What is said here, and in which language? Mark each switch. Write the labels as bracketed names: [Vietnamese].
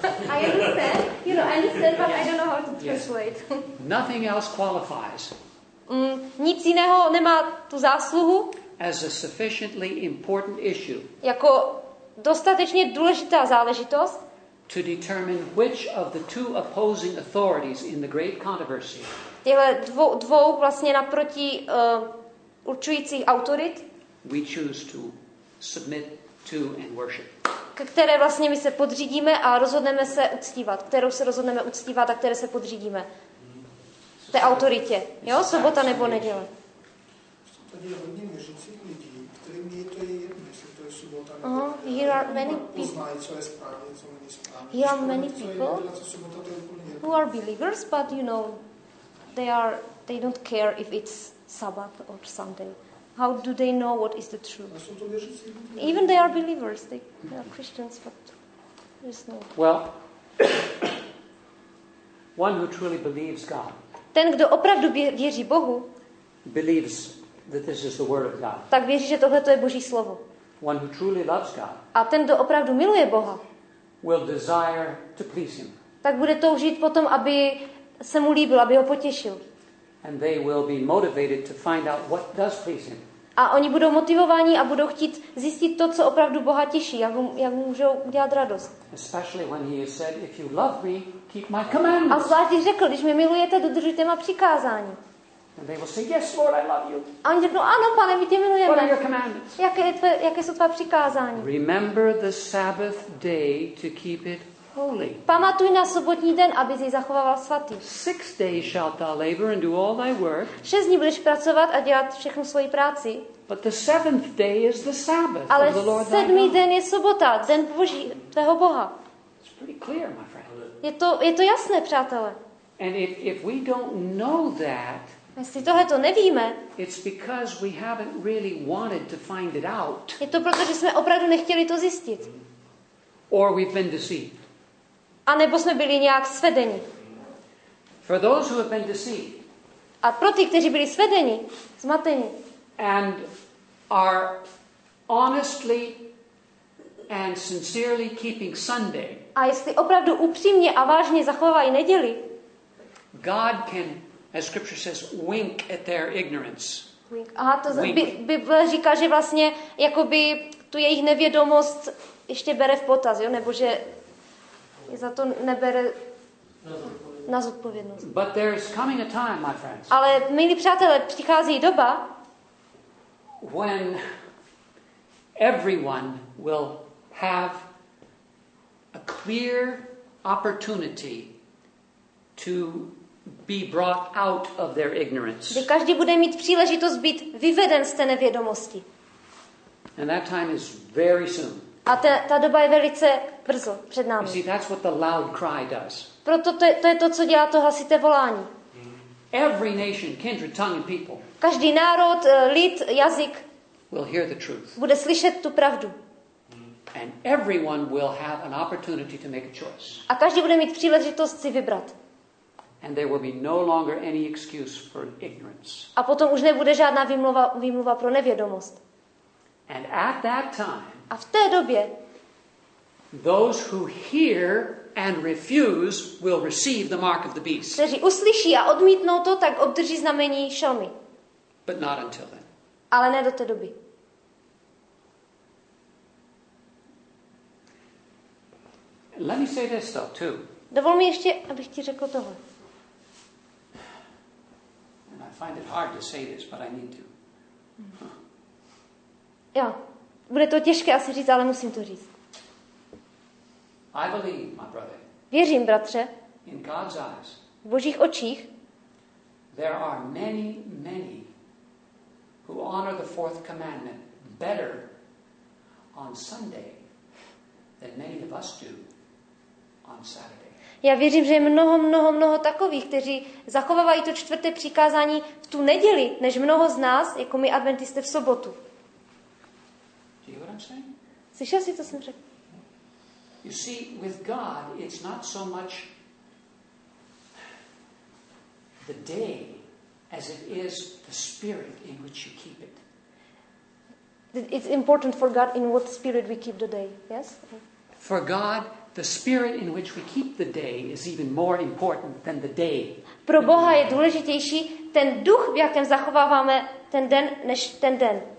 [English] I understand, but yes. I don't know how to translate. Yes. Nothing else qualifies. [Czech] Nic jiného nemá tu zásluhu. [English] as a sufficiently important issue. [Czech] Jako dostatečně důležitá záležitost. [English] To determine which of the two opposing authorities in the great controversy. [Czech] Těhle dvou vlastně naproti určujících autorit. [English] We choose to submit to and worship. [Czech] Které vlastně my se podřídíme a rozhodneme se uctívat, kterou se rozhodneme uctívat a které se podřídíme. Té autoritě, jo, sobota nebo neděle. Tady je hodně věřících lidí, kterým je to jedno, jestli to je sobota nebo [English] Here are many people. [Czech] Poznají, co je správně, co není správně. [English] Here are many people who are believers, but you know, they don't care if it's Sabbath or Sunday. How do they know what is the truth? Even they are believers, they are Christians, but there's no... Well, one who truly believes God. [Czech] Ten, kdo opravdu věří Bohu, [English] believes that this is the word of God. [Czech] Tak věří, že tohle to je Boží slovo. [English] One who truly loves God. [Czech] A ten, kdo opravdu miluje Boha, [English] will desire to please him. [Czech] Tak bude toužit potom, aby se mu líbil, aby ho potěšil. [English] And they will be motivated to find out what does please him. [Czech] A oni budou motivováni a budou chtít zjistit to, co opravdu Boha těší, jak můžou udělat radost. [English] Especially when he has said, if you love me, keep my commandments. [Czech] A zvlášť řekl, když mě milujete, dodržujte má přikázání. [English] And they will say, yes, Lord, I love you. [Czech] A oni řeknou, ano, pane, my tě milujeme. [English] What are your commandments? [Czech] Jaké jsou tvá přikázání? [English] Remember the Sabbath day to keep it holy. [Czech] Pamatuj na sobotní den, aby jsi zachovával svatý. [English] 6 days shalt thou labor and do all thy work. [Czech] 6 dní budeš pracovat a dělat všechnu svoji práci. [English] But the seventh day is the Sabbath of the Lord thy God. [Czech] Ale sedmý den je sobota, den Boží, tvého Boha. [English] It's pretty clear, my friend. [Czech] Je to jasné, přátelé. [English] And if we don't know that, [Czech] jestli tohle to nevíme, [English] it's because we haven't really wanted to find it out. [Czech] Je to proto, že jsme opravdu nechtěli to zjistit. [English] Or we've been deceived. [Czech] A nebo jsme byli nějak svedeni. [English] For those who have been deceived. [Czech] A pro ty, kteří byli svedeni, zmateni. [English] And are honestly and sincerely keeping Sunday. [Czech] A jestli opravdu upřímně a vážně zachovávají neděli. [English] God can, as scripture says, wink at their ignorance. [Czech] Aha, to Bible říká, že vlastně jakoby tu jejich nevědomost ještě bere v potaz, jo, nebo že za to nebere na zodpovědnost. [English] But there's coming a time, my friends. [Czech] Ale milí přátelé, přichází doba, [English] when everyone will have a clear opportunity to be brought out of their ignorance. [Czech] Kdy každý bude mít příležitost být vyveden z té nevědomosti. [English] And that time is very soon. [Czech] A ta doba je velice brzo před námi. [English] See, that's what the loud cry does. [Czech] Proto to je to, co dělá to hlasité volání. [English] Every nation, kindred, tongue and people. [Czech] Každý národ, lid, jazyk [English] will hear the truth. [Czech] Bude slyšet tu pravdu. [English] And everyone will have an opportunity to make a choice. [Czech] A každý bude mít příležitost si vybrat. [English] And there will be no longer any excuse for ignorance. [Czech] A potom už nebude žádná výmluva pro nevědomost. [English] And at that time, [Czech] a v té době, [English] those who hear and refuse will receive the mark of the beast. [Czech] Kteří uslyší a odmítnou to, tak obdrží znamení šelmy. [English] But not until then. [Czech] Ale ne do té doby. [English] Let me say this though too. [Czech] Dovol mi ještě, abych ti řekl tohle. [English] And I find it hard to say this, but I need to. Huh. Jo. [Czech] Bude to těžké asi říct, ale musím to říct. [English] I believe, my brother, [Czech] věřím, bratře, [English] in God's eyes, [Czech] v Božích očích [English] there are many, many who honor the fourth commandment better on Sunday than many of us do on Saturday. [Czech] Já věřím, že je mnoho, mnoho, mnoho takových, kteří zachovávají to čtvrté přikázání v tu neděli, než mnoho z nás, jako my adventisté v sobotu. Slyšel jsi, co jsem řekl? [English] You see, with God, it's not so much the day as it is the spirit in which you keep it. It's important for God in what spirit we keep the day, yes? For God, the spirit in which we keep the day is even more important than the day. [Czech] Pro Boha je důležitější ten duch, v jakém zachováváme ten den, než ten den.